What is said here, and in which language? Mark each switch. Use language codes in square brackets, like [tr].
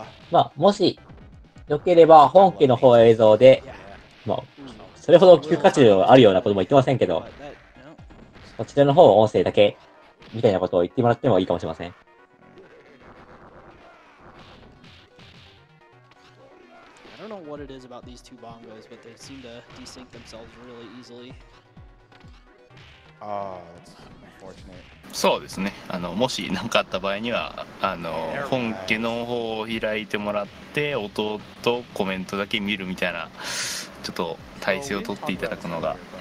[ja] まあもしよければ本家の方映像で、まあ、それほど聞く価値があるようなことも言ってませんけど、こちらの方音声だけみたいなことを言ってもらってもいいかもしれません。 [en] I don't know what it is about these two bongos, but they seem to desync themselves really easily. That's unfortunate. [ja] そうですね。あのもし何かあった場合には、あの本家の方を開いてもらって音とコメントだけ見るみたいなちょっと体制を取っていただくのが。